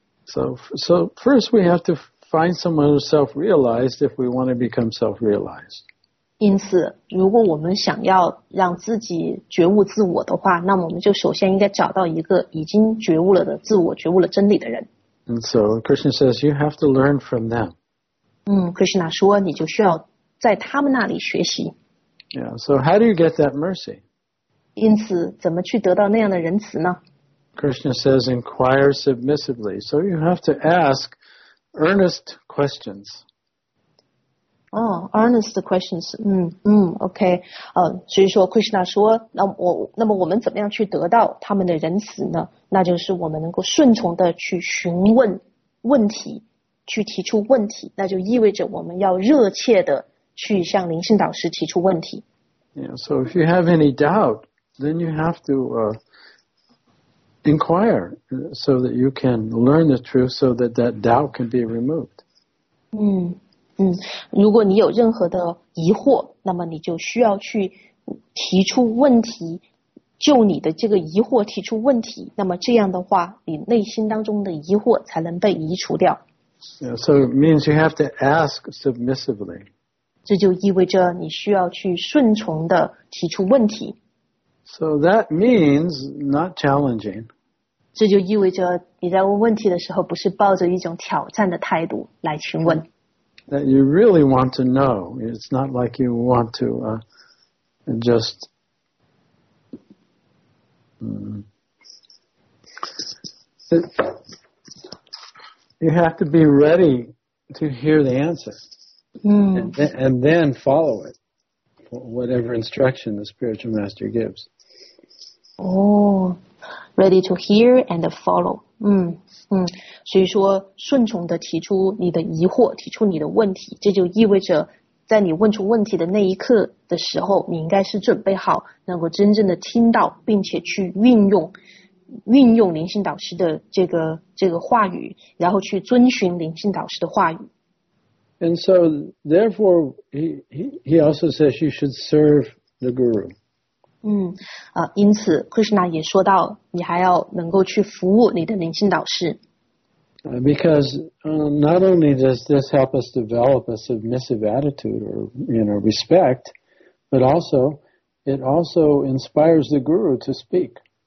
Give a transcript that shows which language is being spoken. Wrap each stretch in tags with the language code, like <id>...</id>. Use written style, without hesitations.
<en>So first we have to find someone who's self-realized if we want to become self-realized.</en> <zh>因此，如果我们想要让自己觉悟自我的话，那么我们就首先应该找到一个已经觉悟了的自我、觉悟了真理的人。</zh> <en>And so Krishna says you have to learn from them.</en> <zh>Krishna 说你就需要在他们那里学习。</zh> <en>Yeah, so how do you get that mercy?</en> <zh>因此怎么去得到那样的仁慈呢?</zh> <en>Krishna says inquire submissively. So you have to ask earnest questions. Earnest questions. Okay.</en> <zh>所以说 Krishna 说那么我们怎么样去得到他们的仁慈呢? 那就是我们能够顺从的去询问问题,去提出问题,那就意味着我们要热切的去向灵性导师提出问题。</zh> <en>Yeah, so if you have any doubt, then you have to inquire so that you can learn the truth so that that doubt can be removed.</en> <zh>如果你有任何的疑惑，那么你就需要去提出问题，就你的这个疑惑提出问题，那么这样的话，你内心当中的疑惑才能被移除掉。</zh> <en>Yeah, so it means you have to ask submissively.</en> <zh>这就意味着你需要去顺从地提出问题。</zh> <en>So that means not challenging.</en> <zh>这就意味着你在问问题的时候不是抱着一种挑战的态度来询问。</zh> <en>That you really want to know. It's not like you want to just... You have to be ready to hear the answer. And then follow it, whatever instruction the spiritual master gives. Ready to hear and follow.</en> <zh>所以说顺从地提出你的疑惑，提出你的问题，这就意味着在你问出问题的那一刻的时候，你应该是准备好能够真正的听到，并且去运用灵性导师的这个话语，然后去遵循灵性导师的话语。</zh> <en>And so, therefore, he also says you should serve the guru.</en> <zh>因此 Krishna 也说到你还要能够去服务你的灵性导师。</zh> <en>Because not only does this help us develop a submissive attitude or, you know, respect, but also it also inspires the guru to speak.</en>